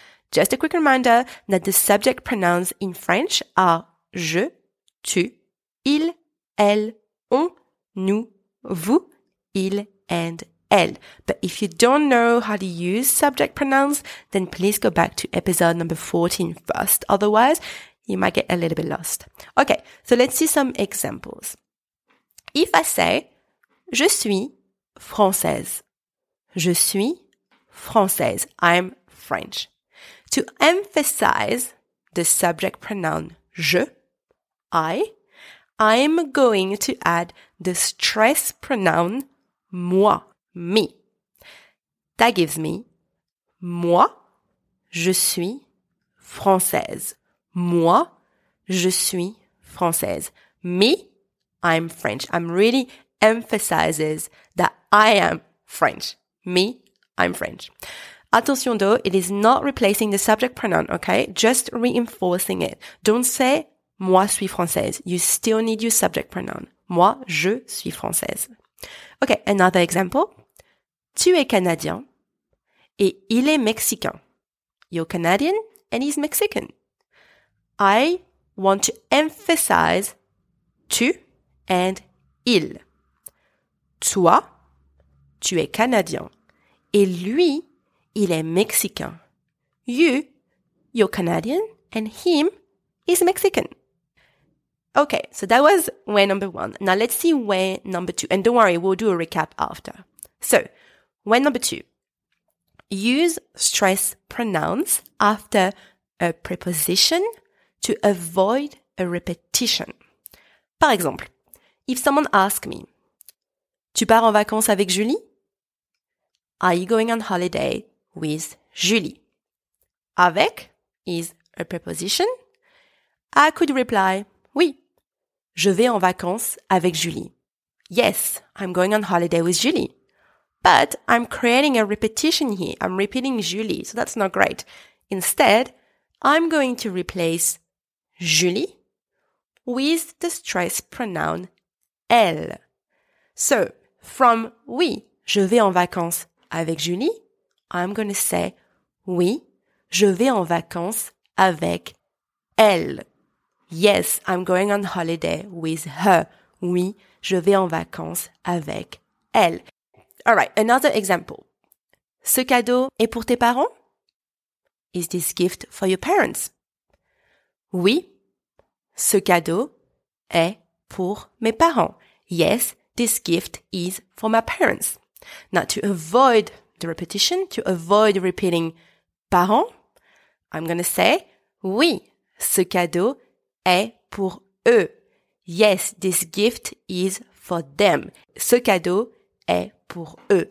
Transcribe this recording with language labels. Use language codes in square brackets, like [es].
[en] Just a quick reminder that the subject pronouns in French are je, tu, il, elle, on, nous, vous, il, and elle. But if you don't know how to use subject pronouns, then please go back to episode number 14 first. Otherwise, you might get a little bit lost. Okay, so let's see some examples. If I say, [fr] je suis française. Je suis française. [en] I'm French. To emphasize the subject pronoun je, I'm going to add the stress pronoun moi, me. That gives me [fr] moi, je suis française. Moi, je suis française. [en] Me, I'm French. I'm really emphasizes that I am French. Me, I'm French. Attention though, it is not replacing the subject pronoun, okay? Just reinforcing it. Don't say, [fr] moi suis française. [en] You still need your subject pronoun. [fr] Moi, je suis française. [en] Okay, another example. [fr] Tu es Canadien et il est Mexicain. [en] You're Canadian and he's Mexican. I want to emphasize tu and il. [fr] Toi, tu es Canadien et lui, il est Mexicain. [en] You're Canadian, and him is Mexican. Okay, so that was way number one. Now let's see way number two. And don't worry, we'll do a recap after. So, way number two. Use stress pronouns after a preposition to avoid a repetition. [fr] Par exemple, [en] if someone asks me, [fr] tu pars en vacances avec Julie? [en] Are you going on holiday with Julie? Avec is a preposition. I could reply, oui. [fr] Je vais en vacances avec Julie. [en] Yes, I'm going on holiday with Julie. But I'm creating a repetition here. I'm repeating Julie, so that's not great. Instead, I'm going to replace Julie with the stress pronoun elle. So, from oui, [fr] je vais en vacances avec Julie, [en] I'm going to say, oui, [fr] Je vais en vacances avec elle. [en] Yes, I'm going on holiday with her. [fr] Oui, je vais en vacances avec elle. [en] All right, another example. [fr] Ce cadeau est pour tes parents? [en] Is this gift for your parents? [fr] Oui, ce cadeau est pour mes parents. [en] Yes, this gift is for my parents. Now, to avoid the repetition, to avoid repeating parents, I'm going to say, [fr] oui, ce cadeau est pour eux. [en] Yes, this gift is for them. [fr] Ce cadeau est pour eux.